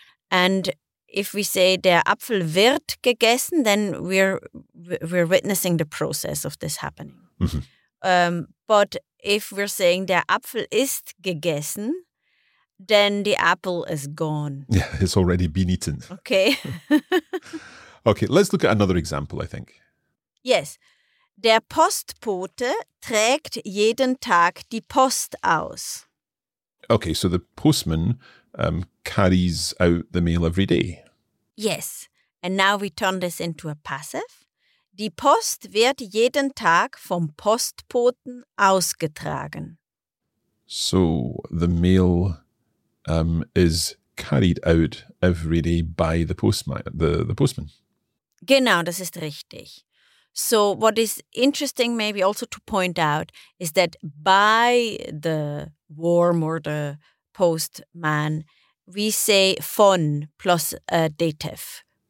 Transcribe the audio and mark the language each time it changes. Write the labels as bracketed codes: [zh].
[en] And if we say [de] der Apfel wird gegessen, [en] then we're witnessing the process of this happening. Mm-hmm. But if we're saying [de] der Apfel ist gegessen, [en] then the apple is gone. Yeah, it's already been eaten. Okay. Okay, let's look at another example, I think. Yes. [de] Der Postbote trägt jeden Tag die Post aus. [en] Okay, so the postman carries out the mail every day. Yes. And now we turn this into a passive. [de] Die Post wird jeden Tag vom Postboten ausgetragen. [en] So the mail is carried out every day by the postman. [de] Genau, das ist richtig. [en] So what is interesting maybe also to point out is that by the worm or the postman, we say von plus a dative.